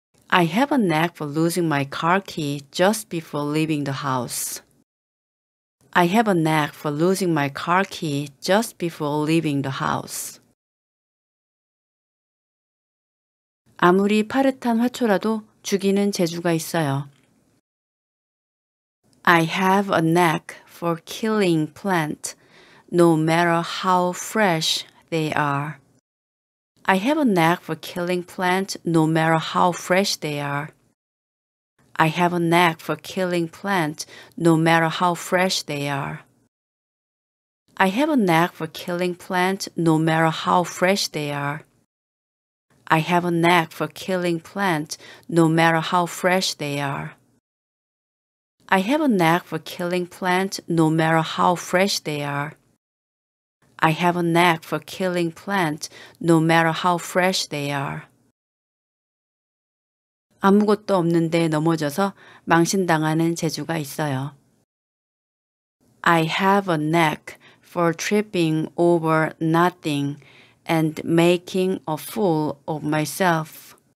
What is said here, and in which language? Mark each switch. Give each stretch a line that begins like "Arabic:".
English: I have a knack for losing my car key just before leaving the house. I have a knack for losing my car key just before leaving the house.
Korean: 아무리 파릇한 화초라도 죽이는 재주가 있어요.
English: I have a knack for killing plants, no matter how fresh they are. I have a knack for killing plants, no matter how fresh they are. I have a knack for killing plants, no matter how fresh they are. I have a knack for killing plants, no matter how fresh they are. I have a knack for killing plants, no matter how fresh they are. I have a knack for killing plants, no matter how fresh they are. I have a knack for killing plants, no matter how fresh they are.
Korean: 아무것도 없는데 넘어져서 망신당하는 재주가 있어요.
English: I have a knack for tripping over nothing and making a fool of myself.